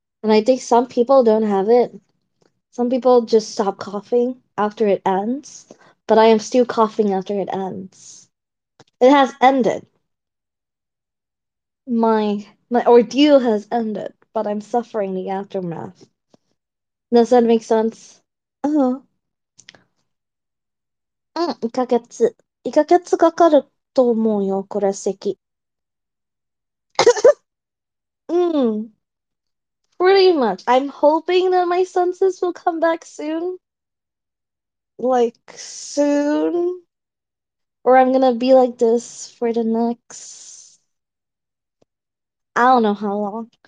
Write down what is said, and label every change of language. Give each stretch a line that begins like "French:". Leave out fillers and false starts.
English: And I think some people don't have it. Some people just stop coughing after it ends, but I am still coughing after it ends. It has ended. My ordeal has ended, but I'm suffering the aftermath. Does that make sense?
Japanese: 1ヶ月かかると思うよ、これ咳。
English: Pretty much. I'm hoping that my senses will come back soon. like soon, or I'm gonna be like this for the next, I don't know how long.